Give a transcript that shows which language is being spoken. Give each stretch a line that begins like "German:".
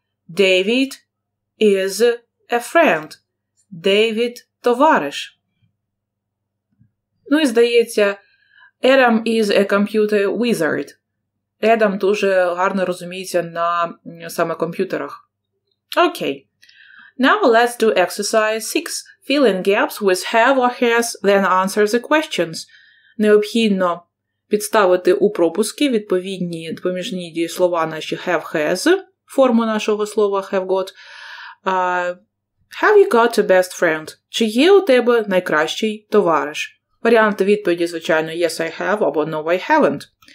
English: David is a friend. David – товариш.
Ukrainian: Ну і здається,
English: Adam is a computer wizard.
Ukrainian: Adam дуже гарно розуміється на саме комп'ютерах.
English: Окей. Now let's do exercise 6. Fill in gaps with have or has, then answer the questions.
Ukrainian: Необхідно підставити у пропуски відповідні допоміжні дієслова наші have, has, форму нашого слова have got.
English: Have you got a best friend?
Ukrainian: Чи є у тебе найкращий товариш? Варіанти відповіді, звичайно,
English: yes, I have,
Ukrainian: або
English: no, I haven't.